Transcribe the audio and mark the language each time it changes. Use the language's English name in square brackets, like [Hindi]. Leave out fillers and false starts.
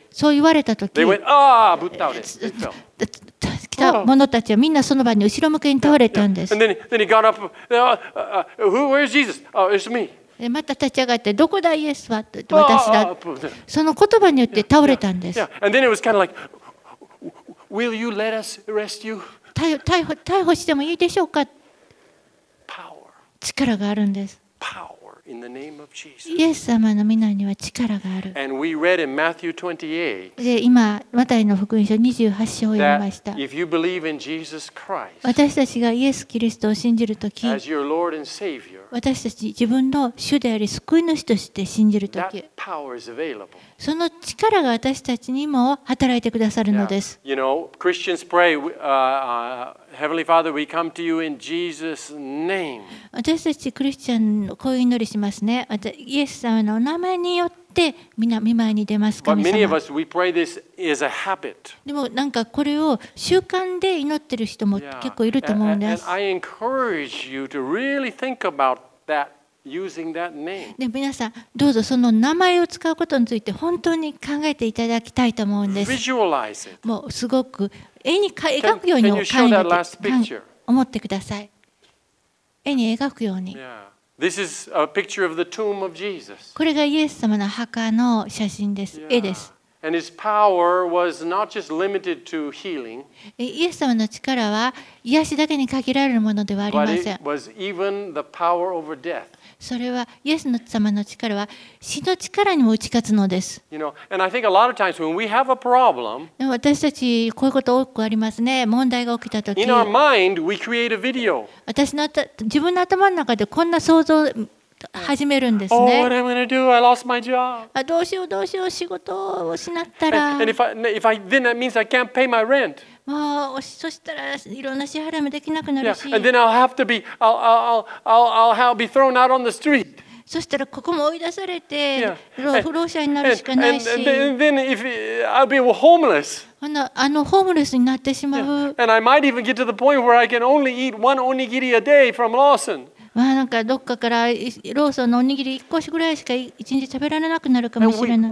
[Japanese] そう言われた時、 [English] they went, "Ah!" [Japanese] ぶっ倒れ。来た者たちはみんなその場に後ろ向けに倒れたんです。 [English] Yeah. Yeah. And then he got up. Who? Where's Jesus? Oh, it's me. [Japanese] でまた立ち上がって、どこだイエスは？私だ。Oh, oh, oh. その言葉によって倒れたんです。 [English] Yeah. Yeah. And then it was kind of like, "Will you let us arrest you?" [Japanese] 逮捕してもいいでしょうか？ [English] Power. [Japanese] 力があるんです。 [English] Power. In the name of Jesus. [Japanese] イエス様の名には力がある。 [English] And we read in Matthew 28, [Japanese] で今マタイの福音書28章を読みました。 [English] that if you believe in Jesus Christ, [Japanese] 私たちがイエス・キリストを信じるとき、 [English] as your Lord and Savior, [Japanese] 私たち自分の主であり救い主として信じるとき、 [English] that power is available. [Japanese] その力が私たちにも働いてくださるのです。 [English] Now, you know, Christians pray, Heavenly Father, we come to you in Jesus' name. [Japanese] 私たちクリスチャンのこういう祈りしますね。イエス様のお名前によってみんな御前に出ます。神様。 [English] But many of us, we pray this is a habit. [Japanese] でもなんかこれを習慣で祈ってる人も結構いると思うんです。 [English] And I encourage you to really think about that. Using that name. [Japanese] で皆さんどうぞその名前を使うことについて本当に考えていただきたいと思うんです。 [English] Visualize it. [Japanese] もうすごく絵に描くように [English] can you show that last picture? [Japanese] 思ってください。絵に描くように、 [English] yeah. This is a picture of the tomb of Jesus. [Japanese] これがイエス様の墓の写真です。 [English] yeah. [Japanese] 絵です。 [English] And his power was not just limited to healing. [Japanese] イエス様の力は癒しだけに限られるものではありません。 [English] But it was even the power over death. [Japanese] それはイエス様の力は死の力にも打ち勝つのです。 [English] You know, and I think a lot of times when we have a problem, [Japanese] 私たちこういうこと多くありますね。問題が起きた時、 [English] in our mind we create a video. [Japanese] 私の自分の頭の中でこんな想像始めるんですね。 [English] Oh, what am I going to do? I lost my job. [Japanese] あ、どうしようどうしよう、仕事を失ったら。 [English] And if I then that means I can't pay my rent. [Japanese] もうそしたらいろんな支払いもできなくなるし。 [English] Yeah. And then I'll have to be I'll be thrown out on the street. [Japanese] そしたらここも追い出されて、不労者になるしかないし。 [English] And then if I'll be homeless. [Japanese] あのホームレスになってしまう。 [English] Yeah. And I might even get to the point where I can only eat one onigiri a day from Lawson. [Japanese] まあ、なんかどっかからローソンのおにぎり1個ぐらいしか1日食べられなくなるかもしれない。